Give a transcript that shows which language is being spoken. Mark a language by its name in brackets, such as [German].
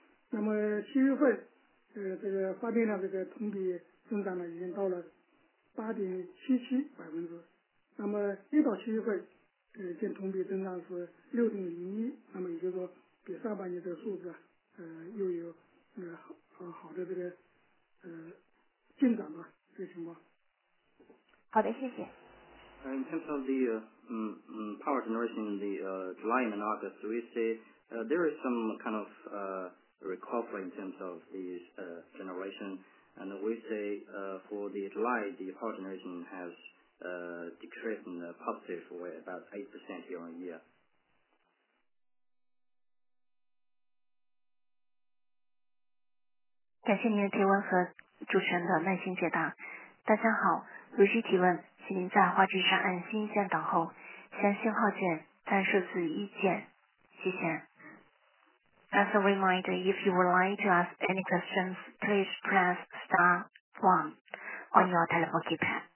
[Chinese] 那么七月份，这个发电量这个同比增长呢，已经到了8.77%。那么一到七月份，现同比增长是6.01%。那么也就是说，比上半年这个数字，又有好的这个进展吧，这个情况。好的，谢谢。 [English] In terms of the power generation in the July and August, we see there is some kind of recovery in terms of the generation, and we say for the July, the power generation has decreased in a positive way, about 8% year on year. [Chinese] 感谢您的提问和主持人的耐心解答。大家好，如需提问，请您在话机上按星一键等候，先信号键，再数字一键，谢谢。 [English] As a reminder, if you would like to ask any questions, please press star 1 on your telephone keypad.